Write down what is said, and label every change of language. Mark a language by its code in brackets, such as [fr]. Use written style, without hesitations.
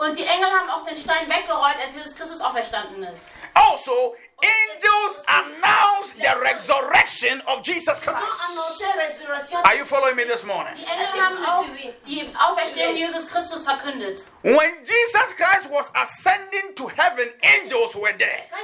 [de] Und die Engel haben auch den Stein weggerollt, als Jesus Christus auferstanden ist. [en] Also, angels announced the resurrection of Jesus Christ. Are you following me this morning? [de] Die Engel haben auch die Auferstehung Jesus Christus verkündet. [en] When Jesus Christ was ascending to heaven, angels were there.